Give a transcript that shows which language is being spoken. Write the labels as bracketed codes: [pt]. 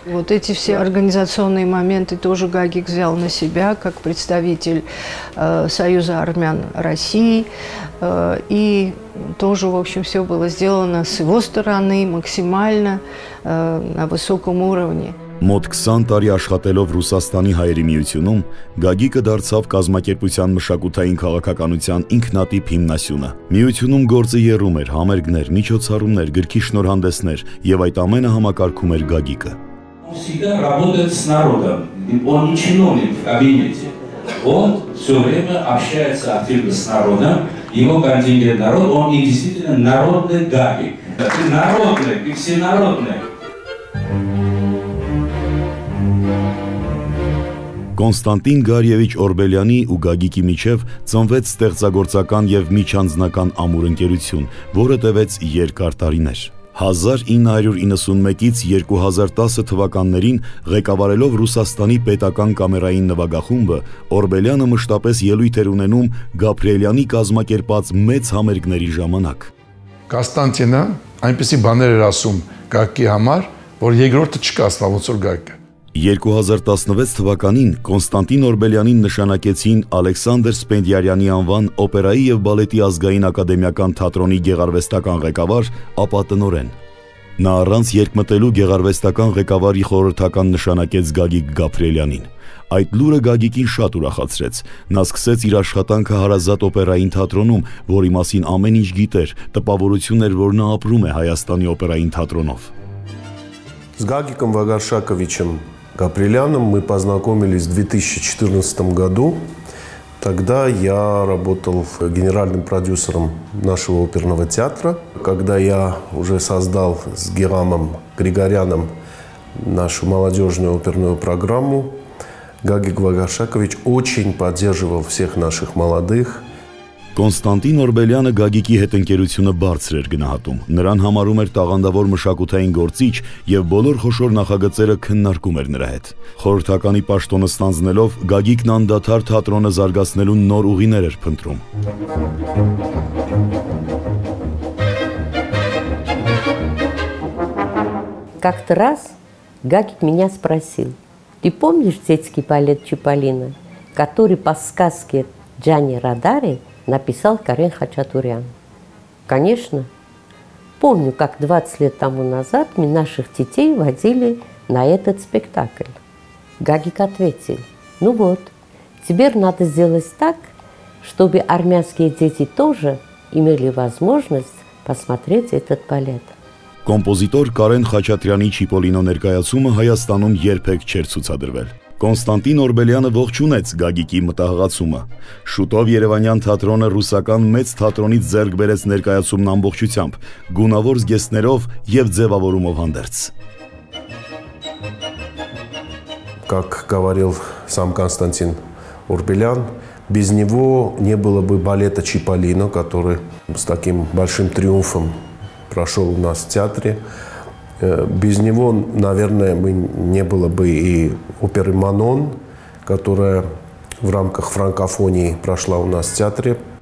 [ru] Вот эти все организационные моменты тоже Гагик взял на себя как представитель Союза армян России. И тоже, в общем, все было сделано с его стороны максимально на высоком уровне. [hy] Մոտ 20 տարի աշխատելով Ռուսաստանի հայերի միությունում, Գագիկը դարձավ կազմակերպության մշակութային քաղաքականության ինքնատիպ հիմնասյունը։ Միությունում գործը երում էր համերգներ, միջոցառումներ, գրքի շնորհանդեսներ, եւ այդ ամենը համակարգում էր Գագիկը։ [ru] Всегда работает с народом. Он не чиновник в кабинете. Он все время общается активно с народом. Его контингент народ, он и действительно народный Гагик. Ты народный, ты всенародный. [hy] Կոնստանտին Գարիևիչ Օրբելյանի ու Գագիկի միջև ծնվեց ստեղծագործական եւ միջանձնական ամուր ընկերություն, որը տևեց երկար տարիներ։ 1991-ից 2010 թվականներին ղեկավարելով Ռուսաստանի պետական կամերային նվագախումբը, Օրբելյանը մշտապես ելույթ էր ունենում Գաբրիելյանի կազմակերպած մեծ համերգների ժամանակ։ Կոնստանտինը այնպեսի բաներ էր ասում Գագիկի համար, որ երկրորդը չկա ստավոցոր Գագիկը։ 2016 թվականին Կոնստանտին Օրբելյանին նշանակեցին Ալեքսանդր Սպենդիարյանի անվան օպերայի եւ բալետի ազգային ակադեմիական թատրոնի գեղարվեստական ղեկավար, ապա տնորեն։ Նա առանց երկմտելու գեղարվեստական ղեկավարի խորհրդական նշանակեց Գագիկ Գաբրիելյանին։ Այդ լուրը Գագիկին շատ ուրախացրեց։ Նա սկսեց իր աշխատանքը հարազատ օպերային թատրոնում, որի մասին ամեն ինչ գիտեր, տպավորություն էր, որ նա ապրում է Հայաստանի օպերային թատրոնով։ [ru] С Гагиком Вагаршаковичем Габрилианом мы познакомились в 2014 году. Тогда я работал генеральным продюсером нашего оперного театра. Когда я уже создал с Герамом Григоряном нашу молодежную оперную программу, Гагик Вагаршакович очень поддерживал всех наших молодых. [hy] Կոնստանտին Օրբելյանը Գագիկի հետ ընկերությունը բարձր էր գնահատում։ Նրան համարում էր տաղանդավոր մշակութային գործիչ եւ բոլոր խոշոր նախագծերը քննարկում էր նրա հետ։ Խորհրդականի պաշտոնը ստանձնելով, Գագիկն անդադար թատրոնը զարգացնելու նոր ուղիներ էր փնտրում։ [ru] Как-то раз Гагик меня спросил: "Ты помнишь детский балет Чиполлино, который по сказке Джани Радари написал Карен Хачатурян?" Конечно. Помню, как 20 лет тому назад мы наших детей водили на этот спектакль. Гагик ответил: "Ну вот, теперь надо сделать так, чтобы армянские дети тоже имели возможность посмотреть этот балет". [hy] Композитор Карен Хачатуряни Чиполлино ներկայացումը Հայաստանում երբեք չէր ցուցադրվել։ Կոնստանտին Օրբելյանը ողջունեց Գագիկի մտահղացումը։ Շուտով Երևանյան թատրոնը ռուսական մեծ թատրոնից ձեռք բերեց ներկայացումն ամբողջությամբ, գունավոր զգեստներով եւ ձևավորումով հանդերձ։ [ru] Как говорил сам Константин Орбелян, без него не было бы балета Чиполлино, который с таким большим триумфом прошел у нас в театре. Без него, наверное, не было бы и оперы «Манон», которая в рамках франкофонии прошла у нас в театре.